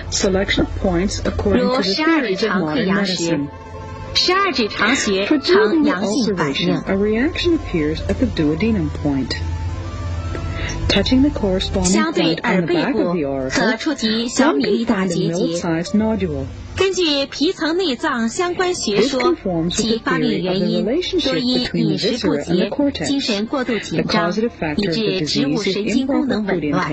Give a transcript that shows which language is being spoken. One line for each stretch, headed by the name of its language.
English: Selection points according to the theories of modern medicine
Chinese: 十二指肠穴呈阳性反应
English: A reaction appears at the duodenum pointTouching the corresponding point on the back of the auricle,
Chinese: 可触及小米粒大结节。
English: Size nodule.
Chinese: 根据皮层内脏相关学说及发病原因，多因饮食不节、精神过度紧张，以致植物神经功能紊乱。